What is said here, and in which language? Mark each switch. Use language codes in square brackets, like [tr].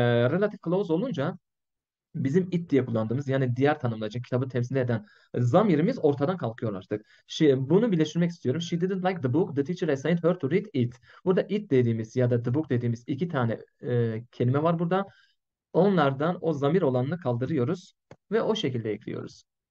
[tr] Relative clause olunca bizim it diye kullandığımız, yani diğer tanımlayıcı, kitabı temsil eden zamirimiz ortadan kalkıyor artık. Bunu birleştirmek istiyorum. [en] She didn't like the book. The teacher assigned her to read it. [tr] Burada it dediğimiz ya da the book dediğimiz iki tane kelime var burada. Onlardan o zamir olanını kaldırıyoruz ve o şekilde ekliyoruz.